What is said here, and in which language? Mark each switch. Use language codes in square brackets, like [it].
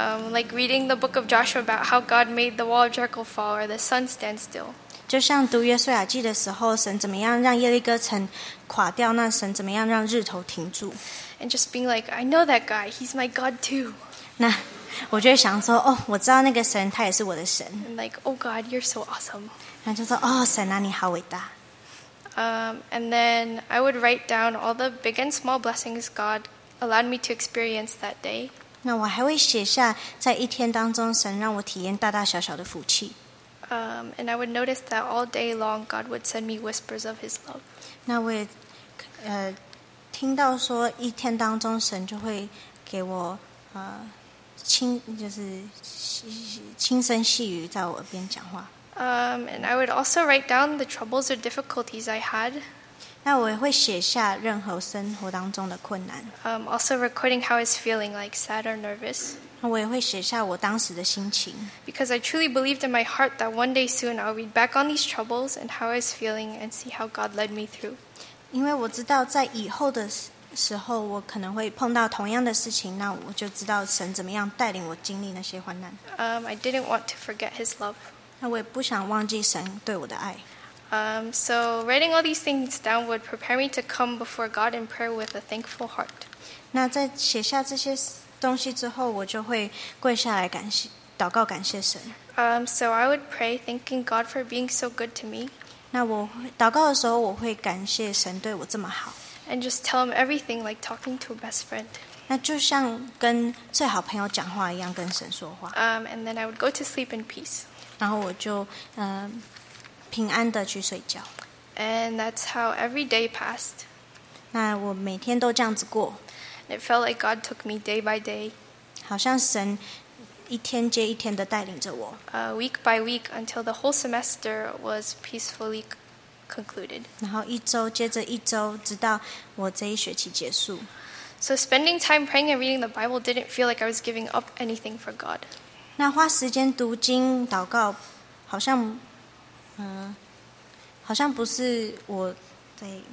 [en] Like reading the book of Joshua about how God made the wall of Jericho fall or the sun stand still. [zh] 就像读约书亚记的时候，神怎么样让耶利哥城垮掉，那神怎么样让日头停住。 [en] And just being like, I know that guy, he's my God too. [zh] 那我就想说，哦，我知道那个神，他也是我的神。 [en] And like, oh God, you're so awesome. [zh] 那就说，哦，神啊，你好伟大。 [en] And then I would write down all the big and small blessings God allowed me to experience that day. [zh] 那我还会写下在一天当中神让我体验大大小小的福气。 [en] And I would notice that all day long God would send me whispers of his love. [zh] 那我也听到说一天当中神就会给我轻声细语在我耳边讲话。 [en] And I would also write down the troubles or difficulties I had. [zh] 那我也会写下任何生活当中的困难。 [en] Also recording how I was feeling, like sad or nervous. [zh] 那我也会写下我当时的心情。 [en] Because I truly believed in my heart that one day soon I'll read back on these troubles and how I was feeling and see how God led me through. [zh] 因为我知道在以后的时候我可能会碰到同样的事情，那我就知道神怎么样带领我经历那些患难。 [en] I didn't want to forget his love. [zh] 那我也不想忘记神对我的爱。 [en] So writing all these things down would prepare me to come before God in prayer with a thankful heart. [zh] 那在写下这些东西之后，我就会跪下来感谢祷告，感谢神。 [en] So I would pray, thanking God for being so good to me. [zh] 那我祷告的时候，我会感谢神对我这么好。 [en] And just tell him everything, like talking to a best friend. [zh] 那就像跟最好朋友讲话一样，跟神说话。 [en] And then I would go to sleep in peace. [zh] 然后我就平安的去睡觉。 [en] And that's how every day passed. [zh] 那我每天都这样子过。 [en] It felt like God took me day by day. [zh] 好像神一天接一天的带领着我。 [en] Week by week until the whole semester was peacefully concluded. [zh] 然后一周接着一周，直到我这一学期结束。 [en] So spending time praying and reading the Bible didn't feel like I was giving up anything for God. [zh] 那花时间读经祷告，好像，好像不是我在，